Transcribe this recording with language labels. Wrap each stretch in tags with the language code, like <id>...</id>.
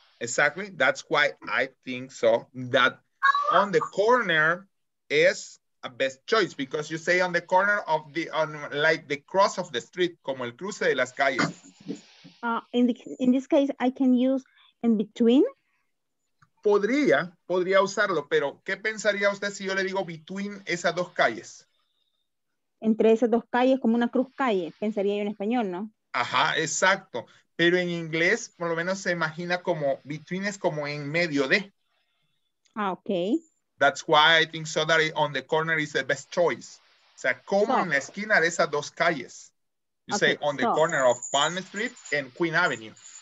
<en>Exactly. That's why I think so. That on the corner is. A best choice because you say on the corner of the on like the cross of the street</en> <es>como el cruce de las calles.</es> <en>In this case I can use in between.</en> <es>Podría usarlo, pero ¿qué pensaría usted si yo le digo between esas dos calles? Entre esas dos calles como una cruz calle, pensaría yo en español, ¿no? Ajá, exacto, pero en inglés por lo menos se imagina como between es como en medio de.</es> <en>Ah, okay. That's why I think so that on the corner is the best choice.</en> <es>O sea, como en la esquina de esas dos calles.</es> <en>You say on the corner of Palm Street and Queen Avenue.</en>